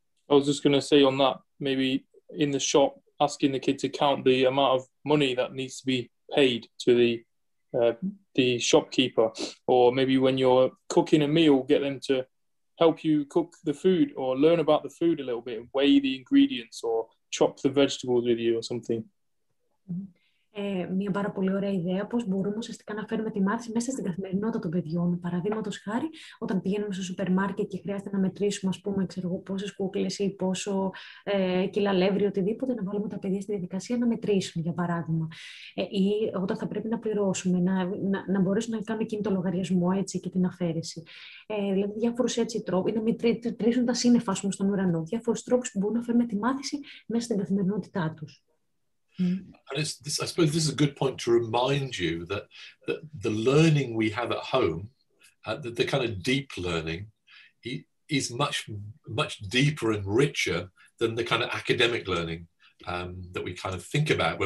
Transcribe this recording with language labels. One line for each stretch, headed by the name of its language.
English: I was just going to say on that, maybe in the shop, asking the kid to count the amount of money that needs to be paid to the shopkeeper, or maybe when you're cooking a meal, get them to help you cook the food or learn about the food a little bit, weigh the ingredients or chop the vegetables with you or something.
Greek: Μια πάρα πολύ ωραία ιδέα, πώς μπορούμε ουσιαστικά να φέρουμε τη μάθηση μέσα στην καθημερινότητα των παιδιών. Παραδείγματος χάρη, όταν πηγαίνουμε στο σούπερ μάρκετ και χρειάζεται να μετρήσουμε, ας πούμε, ξέρω, πόσες κούκλες ή πόσο κιλά αλεύρι, οτιδήποτε, να βάλουμε τα παιδιά στη διαδικασία να μετρήσουν, για παράδειγμα. Ή όταν θα πρέπει να πληρώσουμε, να μπορέσουν να κάνουν εκείνο το λογαριασμό έτσι, και την αφαίρεση. Δηλαδή, διάφορους τρόπους, ή να μετρήσουν τα σύννεφα, ας πούμε, στον ουρανό. Διάφορους τρόπους που μπορούν να φέρουμε τη μάθηση μέσα στην καθημερινότητά τους.
English: And I suppose this is a good point to remind you that the learning we have at home, the kind of deep learning, is much, much deeper and richer than the kind of academic learning that we kind of think about.